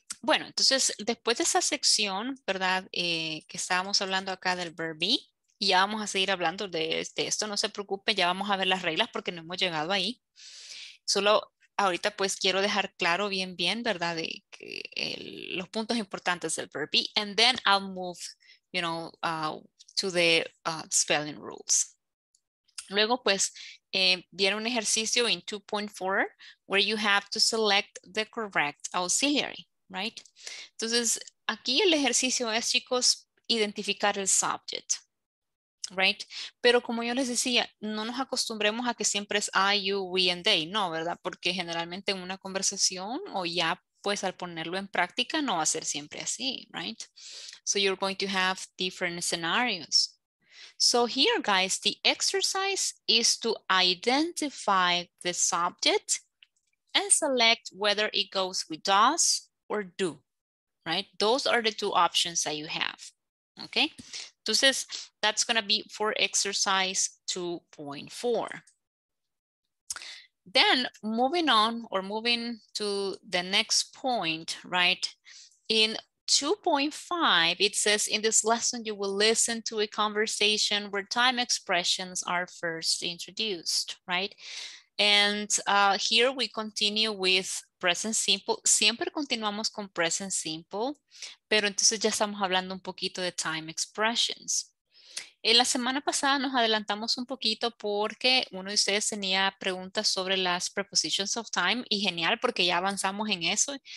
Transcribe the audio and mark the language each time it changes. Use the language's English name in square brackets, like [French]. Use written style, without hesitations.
[Spanish] Bueno, entonces después de esa sección, ¿verdad? Que estábamos hablando acá del verb be, y ya vamos a seguir hablando de esto. No se preocupe, ya vamos a ver las reglas porque no hemos llegado ahí. Solo ahorita pues quiero dejar claro bien, bien, ¿verdad? De que los puntos importantes del verb be. [English] And then I'll move, you know, to the spelling rules. [Spanish] Luego pues viene un ejercicio en 2.4 [English] where you have to select the correct auxiliary, [Spanish] right? Entonces aquí el ejercicio es, chicos, identificar el subject, right? Pero como yo les decía, no nos acostumbremos a que siempre es I, you, we and they, no, ¿verdad? Porque generalmente en una conversación o ya pues al ponerlo en práctica no va a ser siempre así, right? [English] So you're going to have different scenarios. So here, guys, the exercise is to identify the subject and select whether it goes with does or do, right? Those are the two options that you have, okay? Entonces, that's going to be for exercise 2.4. Then moving on or moving to the next point, right? In 2.5, it says, in this lesson, you will listen to a conversation where time expressions are first introduced, right? And here we continue with present simple. [Spanish] Siempre continuamos con present simple, pero entonces ya estamos hablando un poquito de time expressions. En la semana pasada nos adelantamos un poquito porque uno de ustedes tenía preguntas sobre las prepositions of time y genial porque ya avanzamos en eso.